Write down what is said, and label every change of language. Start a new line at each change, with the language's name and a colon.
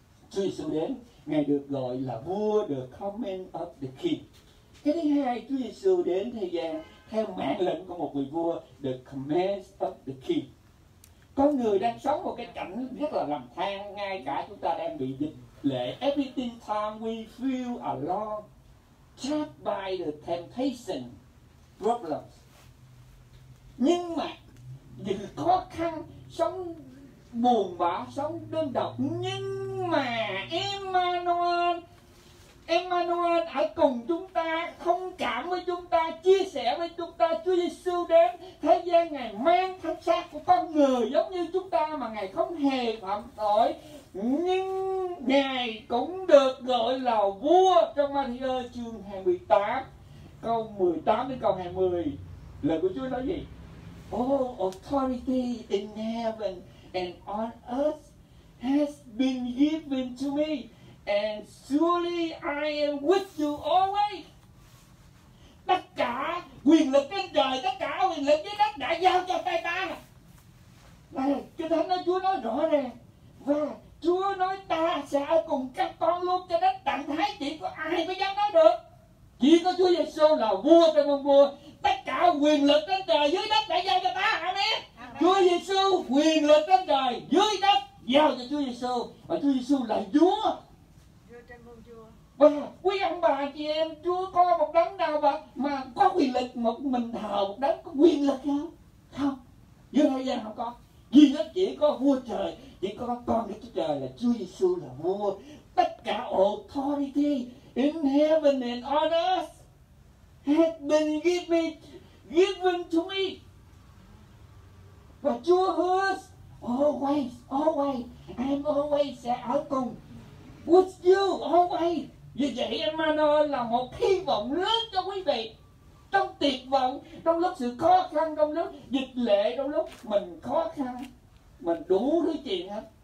Vietnamese: Chúa Giêsu đến, Ngài được gọi là vua,
English: the coming of the king.
Vietnamese: Cái thứ hai, Chúa Giêsu đến thế gian theo mạng lệnh của một người vua,
English: the command of the king.
Vietnamese: Có người đang sống một cái cảnh rất là lầm than, ngay cả chúng ta đang bị dịch lệ.
English: Everything time we feel alone, trapped by the temptation, problems.
Vietnamese: Nhưng mà những khó khăn, sống buồn bã, sống đơn độc. Nhưng mà Emmanuel, Emmanuel ở cùng chúng ta, thông cảm với chúng ta, chia sẻ với chúng ta. Chúa Giêsu đến thế gian, Ngài mang thân xác của con người giống như chúng ta, mà Ngài không hề phạm tội. Nhưng Ngài cũng được gọi là vua. Trong Ma-thi-ơ chương 28 câu 18 đến câu 20, lời của Chúa nói gì?
English: All authority in heaven and on earth has been given to me, and surely I am with you always.
Vietnamese: Tất cả quyền lực trên trời, tất cả quyền lực dưới đất đã giao cho tay ta. Đây, Kinh Thánh nói, Chúa nói rõ ràng. Và Chúa nói ta sẽ ở cùng các con luôn cho đến tận thế. Chỉ có ai có dám nói được? Chỉ có Chúa Giêsu là vua trên muôn vua. Tất cả quyền lực trên trời dưới đất đã giao cho ta. Amen. Chúa Giêsu quyền lực trên trời dưới đất giao cho Chúa Giêsu. Và Chúa Giêsu là Chúa. Và quý ông bà chị em, Chúa có một đấng nào mà có quyền lực một mình thờ một đấng có quyền lực không? Không. Dưới thế gian không có. Duy nhất chỉ có vua trời, chỉ có con Đức Chúa Trời là Chúa Giêsu là vua. Tất cả
English: authority in heaven and on earth has been given to me.
Vietnamese: Và Chúa hứa always sẽ ở cùng
English: with you always.
Vietnamese: Vì vậy Emmanuel là một hy vọng lớn cho quý vị. Trong tuyệt vọng, trong lúc sự khó khăn, trong lúc dịch lệ, trong lúc mình khó khăn, mình đủ thứ chuyện hết.